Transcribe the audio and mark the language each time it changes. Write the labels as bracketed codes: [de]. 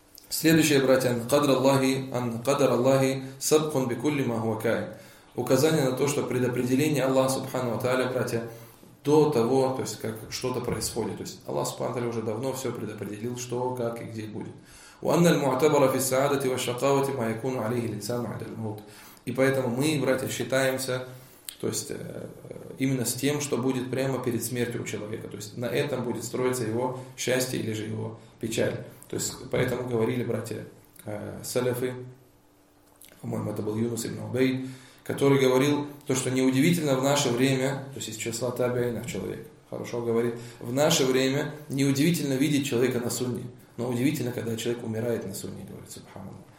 [ru] Следующее, братья, [ar] ан-кадр Аллахи сабкун бикулли ма хуа каин. [ru] Указание на то, что предопределение Аллаха Субханаху ва Тааля, братья, до того, то есть как что-то происходит. То есть Аллах Субханаху ва Тааля уже давно все предопределил, что, как и где будет. [ar] وأن المعتبر في السعادة والشقاوة ما يكون عليه الإنسان بعد الموت. [ru] И поэтому мы, братья, считаемся, то есть именно с тем, что будет прямо перед смертью у человека. То есть на этом будет строиться его счастье или же его печаль. То есть поэтому говорили братья салафы, по-моему, это был Юнус ибн Убей, который говорил то, что неудивительно в наше время, то есть из числа табиинов человек, хорошо говорит, в наше время неудивительно видеть человека на сунне, но удивительно, когда человек умирает на сунне, говорит субханаллах.